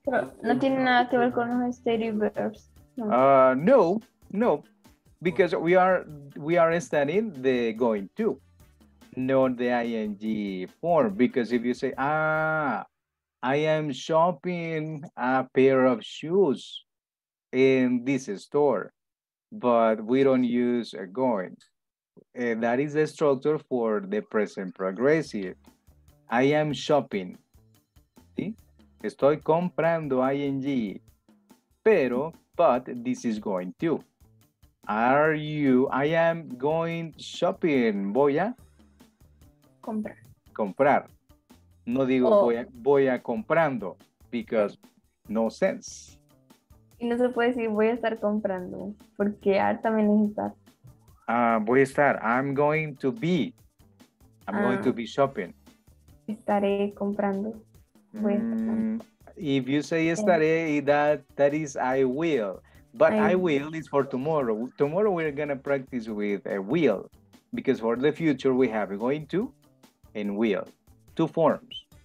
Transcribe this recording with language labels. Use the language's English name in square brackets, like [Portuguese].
[Spanish] Pero no tiene nada que ver con los [English] study verbs. No, no, because we are studying the going to, not the ing form. Because if you say, I am shopping a pair of shoes in this store, but we don't use a going. And that is the structure for the present progressive. I am shopping. ¿Sí? [Spanish] Estoy comprando ing, pero, [English] but this is going to. Are you, I am going shopping, [Spanish] voy a? Comprar. Comprar. No digo voy a comprando, [English] because no sense. [Spanish] Y no se puede decir voy a estar comprando, porque art también es estar. Voy a estar, [English] I'm going to be shopping. [Spanish] Estaré comprando. [English] If you say estaré, that is I will. But I will is for tomorrow. Tomorrow we're going to practice with a will, because for the future we have going to and will, two forms.